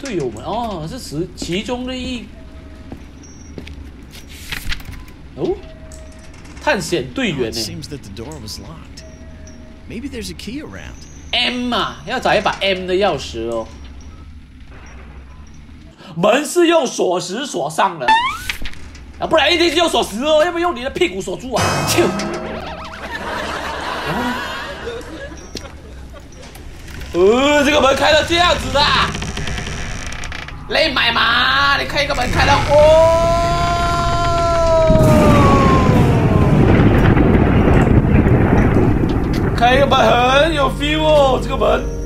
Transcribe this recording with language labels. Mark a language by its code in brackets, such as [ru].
[zh] 队友们，哦，是其中的一哦，探险队员呢 [en] ？It seems that the door was locked. Maybe there's a key around. [zh] M 啊，要找一把 M 的钥匙哦。门是用锁匙锁上的、啊、不然一定是用锁匙哦，要不用你的屁股锁住啊，然后呢这个门开到这样子的，累买嘛，你开一个门开到哦，开一个门很有 feel 哦，这个门